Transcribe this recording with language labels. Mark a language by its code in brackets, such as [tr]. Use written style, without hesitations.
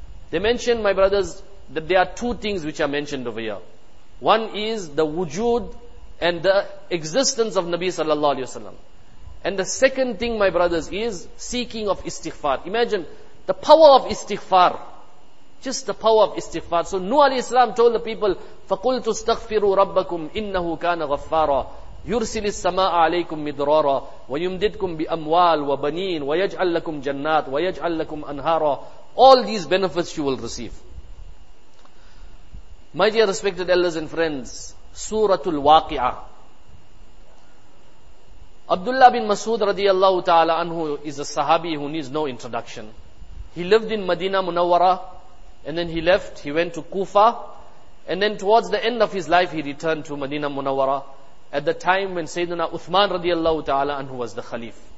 [en] They mention, my brothers, that there are two things which are mentioned over here. One is the wujud and the existence of Nabi sallallahu alayhi wasallam. And the second thing, my brothers, is seeking of istighfar. Imagine the power of istighfar. Just the power of istighfar. So Nuh alayhi salam told the people, [ar] فَقُلْتُ اسْتَغْفِرُوا رَبَّكُمْ إِنَّهُ كَانَ غَفَّارًا يُرْسِلِ السَّمَاءَ عَلَيْكُمْ مِدْرَارًا وَيُمْدِدْكُمْ بِأَمْوَالٍ وَبَنِينَ وَيَجْعَلْ لَكُمْ جَنَّاتٍ وَيَجْعَلْ لَكُمْ أَنْهَارًا. [en] All these benefits you will receive. My dear respected elders and friends, Suratul Waqi'ah. Abdullah bin Mas'ud radiyallahu ta'ala anhu is a sahabi who needs no introduction. He lived in Medina Munawwara, and then he left, he went to Kufa, and then towards the end of his life he returned to Medina Munawwara at the time when Sayyidina Uthman radiyallahu ta'ala anhu was the Khalif.